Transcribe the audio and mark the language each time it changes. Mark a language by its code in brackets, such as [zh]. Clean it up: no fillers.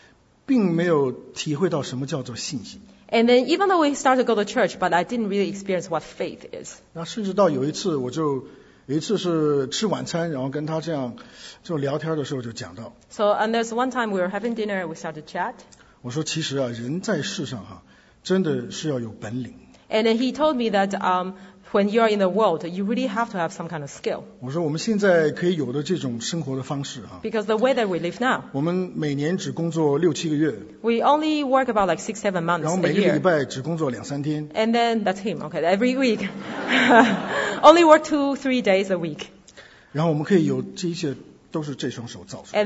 [zh] 那甚至到后来呢，去了教会，慢慢觉得虽然找到神，但是并没有体会到什么叫做信心。And [en] then even though we started to go to church, but I didn't really experience what faith is. [zh] 那甚至到有一次，我就有一次是吃晚餐，然后跟他这样聊天的时候就讲到。So [en] and there's one time we were having dinner and we started to chat. [zh] 我说其实啊，人在世上哈，真的是要有本领。And [en] then he told me that When you are in the world, you really have to have some kind of skill. [zh] 我说我们现在可以有的这种生活的方式啊。Because [en] the way that we live now. [zh] 我们每年只工作6-7个月。We [en] only work about like 6-7 months a year. [zh] 然后每个礼拜只工作2-3天。And [en] then that's him, okay? Every week, only work 2-3 days a week. [zh] 然后我们可以有这一切都是这双手造出。And